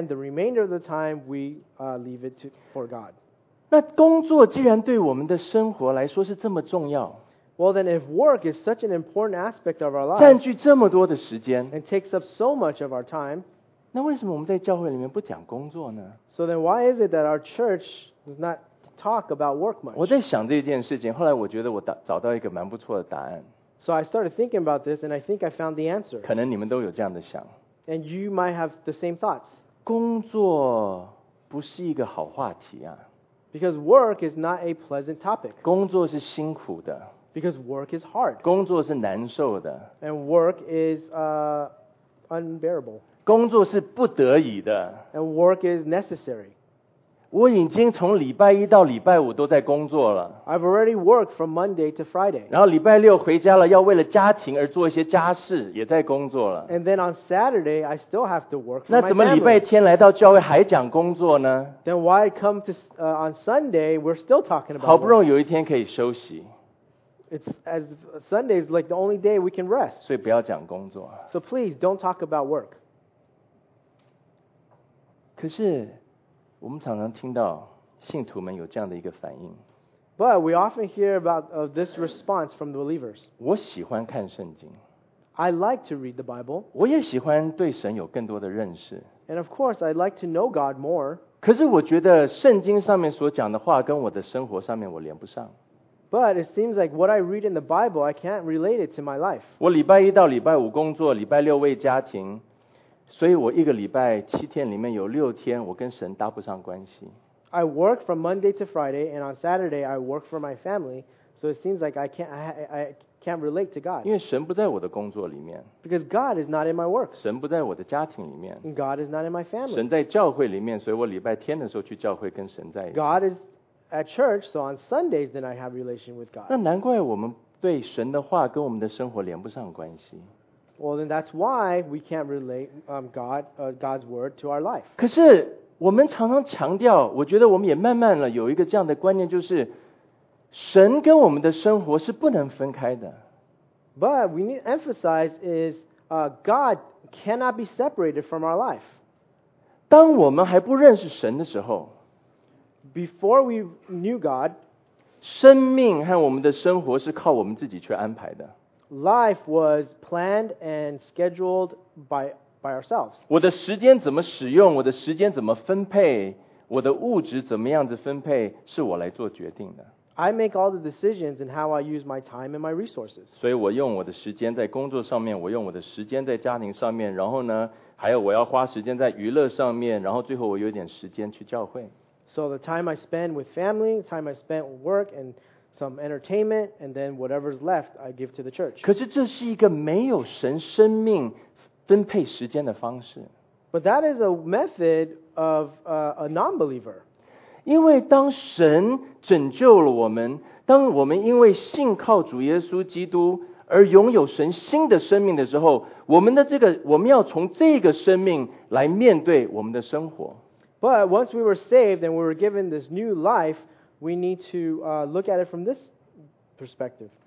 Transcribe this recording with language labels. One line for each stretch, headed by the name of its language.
English: And then the remainder of the time we leave it for God.
Chinese: 那工作既然对我们的生活来说是这么重要
English: Well then if work is such an important aspect of our life
Chinese: 占据这么多的时间
English: And takes up so much of our time
Chinese: 那为什么我们在教会里面不讲工作呢
English: So then why is it that our church does notTalk about work much.
Chinese: 我在想这件事情，后来我觉得我找到一个蛮不错的答案。
English: So I started thinking about this, and I think I found the answer.
Chinese: 可能你们都有这样的想。
English: And you might have the same thoughts.
Chinese: 工作不是一个好话题啊。
English: Because work is not a pleasant topic.
Chinese: 工作是辛苦的。
English: Because work is hard.
Chinese: 工作是难受的。
English: And work is unbearable.
Chinese: 工作是不得已的。
English: And work is necessary.
Chinese: 我已经从礼拜一到礼拜五都在工作了。
English: I've already worked from Monday to Friday.
Chinese: 然后礼拜六回家了，要为了家庭而做一些家事，也在工作了。
English: And then on Saturday, I still have to work for my family.
Chinese: 那怎么礼拜天来到教会还讲工作呢？
English: Then why come to on Sunday, we're still talking about work.
Chinese: 好不容易有一天可以休息。
English: It's as Sunday is like the only day we can rest.
Chinese: 所以不要讲工作。
English: So please don't talk about work.
Chinese: 可是我们常常听到信徒们有这样的一个反应。
English: But we often hear about this response from the believers.
Chinese: 我喜欢看圣经。
English: I like to read the Bible.
Chinese: 我也喜欢对神有更多的认识。
English: And of course, I'd like to know God more.
Chinese: 可是我觉得圣经上面所讲的话跟我的生活上面我连不上。
English: But it seems like what I read in the Bible, I can't relate it to my life.
Chinese: 我礼拜一到礼拜五工作，礼拜六为家庭，所以我一个礼拜七天里面有六天我跟神搭不上关系。
English: I work from Monday to Friday, and on Saturday I work for my family. So it seems like I can't relate to God.
Chinese: 因为神不在我的工作里面。
English: Because God is not in my work.
Chinese: 神不在我的家庭里面。
English: God is not in my family.
Chinese: 神在教会里面，所以我礼拜天的时候去教会跟神在一起。
English: God is at church, so on Sundays, then I have relation with God.
Chinese: 那难怪我们对神的话跟我们的生活连不上关系。
English: Well, then that's why we can't relate God's word to our life.
Chinese: 可是我们常常强调，我觉得我们也慢慢了有一个这样的观念，就是神跟我们的生活是不能分开的。
English: But we need to emphasize is God cannot be separated from our life.
Chinese: 当我们还不认识神的时候。
English: Before we knew God,
Chinese: 生命和我们的生活是靠我们自己去安排的。
English: Life was planned and scheduled by ourselves.
Chinese: 我的时间怎么使用，我的时间怎么分配，我的物质怎么样子分配，是我来做决定的。
English: I make all the decisions in how I use my time and my resources.
Chinese: 所以我用我的时间在工作上面，我用我的时间在家庭上面，然后呢，还有我要花时间在娱乐上面，然后最后我有点时间去教会。
English: So the time I spend with family, the time I spend with work and some entertainment, and then whatever's left, I give to the church.
Chinese: 可是这是一个没有神生命分配时间的方式。
English: But that is a method of a non-believer.
Chinese: 因为当神拯救了我们，当我们因为信靠主耶稣基督而拥有神新的生命的时候，我们的这个我们要从这个生命来面对我们的生活。
English: But once we were saved and we were given this new life, we need to look at it from this perspective.